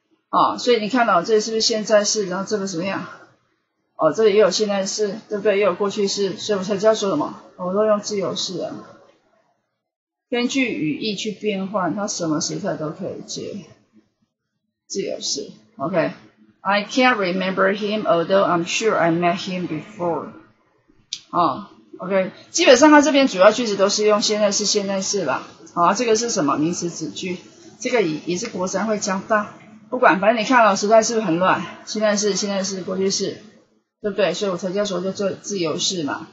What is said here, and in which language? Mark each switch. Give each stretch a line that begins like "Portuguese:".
Chinese: 哦，所以你看到，哦，这是不是现在式，然后这个怎么样，哦，这里也有现在式，对不对？也有过去式，所以我才知道说什么，哦，我都用自由式啊，根据语义去变换，它什么时态都可以接自由式。
English: OK， I can't remember him although I'm sure I met him before。
Chinese: 哦， OK， 基本上它这边主要句子都是用现在式现在式啦。好，哦，这个是什么名词子句，这个也是国三会教到，不管，反正你看了，时态是不是很乱？现在是，现在是，过去式，对不对？所以我才叫说叫做自由式嘛。